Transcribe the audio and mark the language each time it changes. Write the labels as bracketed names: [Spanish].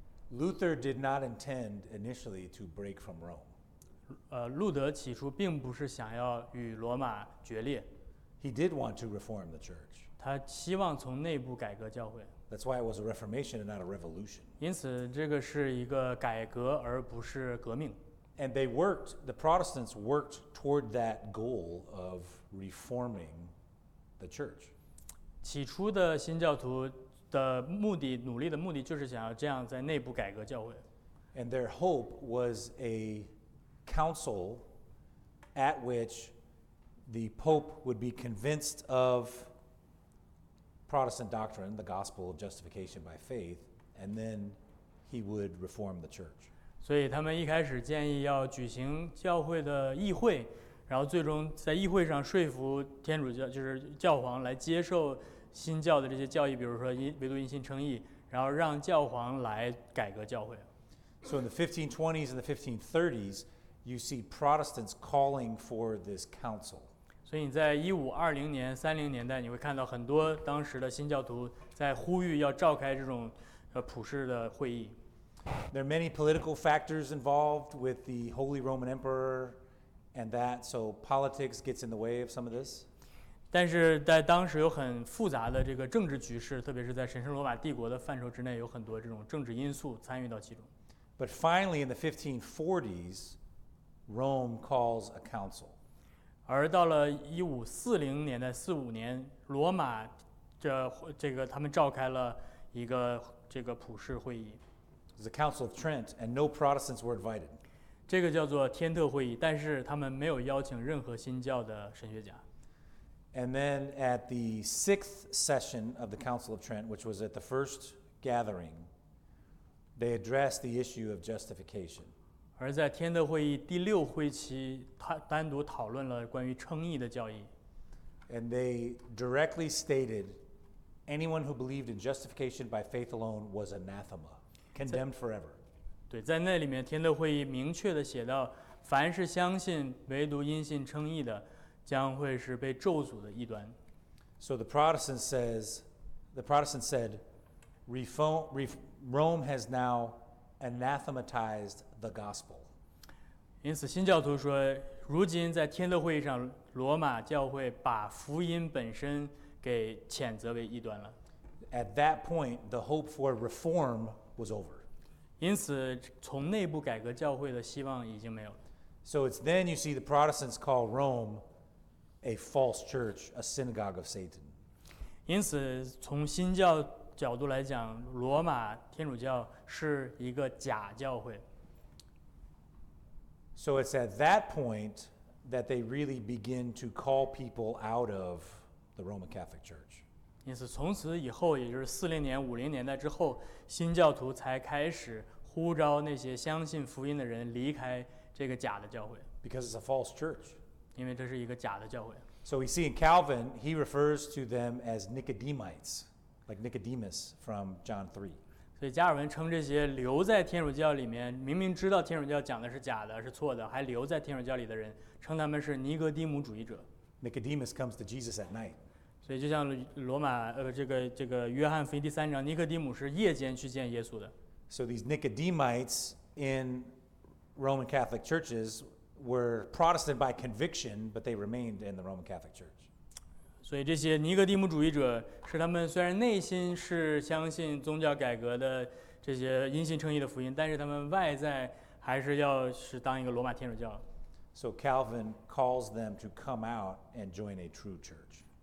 [English] Luther did not intend initially to break from Rome. [Chinese] 路德起初并不是想要与罗马决裂。 [English] He did want to reform the church. [Chinese] 他希望从内部改革教会。 [English] That's why it was a reformation and not a revolution. [Chinese] 因此这个是一个改革而不是革命。 [English] And they worked, the Protestants worked toward that goal of reforming the church. [Chinese] 起初的新教徒的目的，努力的目的就是想要这样在内部改革教会。 [English] And their hope was a... Council at which the Pope would be convinced of Protestant doctrine, the gospel of justification by faith, and then he would reform the church. So they first suggested to hold a church meeting, and finally convince the Pope to accept [Chinese] 新教的这些教义，比如说唯独一心称义，然后让教皇来改革教会。 [English] So in the 1520s and the 1530s, you see Protestants calling for this council. [Chinese] 所以你在1520年、30年代，你会看到很多当时的新教徒在呼吁要召开这种普世的会议。 [English] There are many political factors involved with the Holy Roman Emperor and that, so politics gets in the way of some of this. [Chinese] 但是在当时有很复杂的这个政治局势，特别是在神圣罗马帝国的范畴之内，有很多这种政治因素参与到其中。 [English] But finally, in the 1540s, Rome calls a council. [Chinese] 而到了1540年代45年，罗马这个他们召开了一个这个普世会议。 [English] It was the Council of Trent, and no Protestants were invited. [Chinese] 这个叫做天特会议，但是他们没有邀请任何新教的神学家。 [English] And then at the sixth session of the Council of Trent, which was at the first gathering, they addressed the issue of justification. [Chinese] 而在天特会议第六会期，他单独讨论了关于称义的教义。 [English] And they directly stated, anyone who believed in justification by faith alone was anathema. Condemned forever. [Chinese] 对，在那里面，天特会议明确地写到，凡是相信唯独因信称义的，将会是被咒诅的异端。 [English] So the Protestant says, the Protestant said, Rome has now anathematized the gospel. [Chinese] 因此，新教徒说，如今在天特会议上，罗马教会把福音本身给谴责为异端了。 [English] At that point, the hope for reform. Was over. [Chinese] 因此从内部改革教会的希望已经没有了。 [English] So it's then you see the Protestants call Rome a false church, a synagogue of Satan. [Chinese] 因此从新教角度来讲，罗马天主教是一个假教会。 [English] So it's at that point that they really begin to call people out of the Roman Catholic Church. [Chinese] 因此从此以后，也就是四零年、五零年代之后，新教徒才开始呼召那些相信福音的人离开这个假的教会。 [English] Because it's a false church. [Chinese] 因为这是一个假的教会。 [English] So we see in Calvin, he refers to them as Nicodemites, like Nicodemus from John 3. [Chinese] 所以加尔文称这些留在天主教里面，明明知道天主教讲的是假的、是错的，还留在天主教里的人，称他们是尼哥底母主义者。 [English] Nicodemus comes to Jesus at night. [Chinese] 所以就像罗马这个约翰福音第三章，尼哥底母是夜间去见耶稣的。 [English] So these Nicodemites in Roman Catholic churches were Protestant by conviction, but they remained in the Roman Catholic Church. [Chinese] 所以这些尼哥底母主义者是他们虽然内心是相信宗教改革的这些因信称义的福音，但是他们外在还是要是当一个罗马天主教。 [English] So Calvin calls them to come out and join a true church.